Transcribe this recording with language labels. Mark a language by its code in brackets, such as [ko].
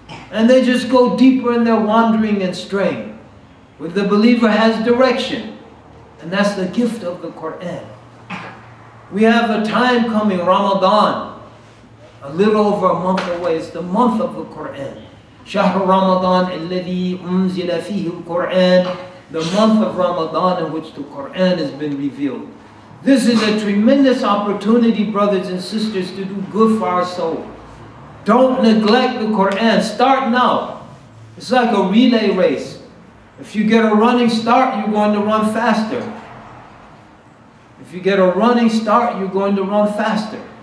[en] And they just go deeper in their wandering and straying. But the believer has direction. And that's the gift of the Quran. We have a time coming, Ramadan, a little over a month away. It's the month of the Quran. [ar] شَهْرُ Ramadan الَّذِي أُنزِلَ فِيهُ Quran. [en] The month of Ramadan in which the Quran has been revealed. This is a tremendous opportunity, brothers and sisters, to do good for our soul. Don't neglect the Quran. Start now. It's like a relay race. If you get a running start, you're going to run faster. If you get a running start, you're going to run faster.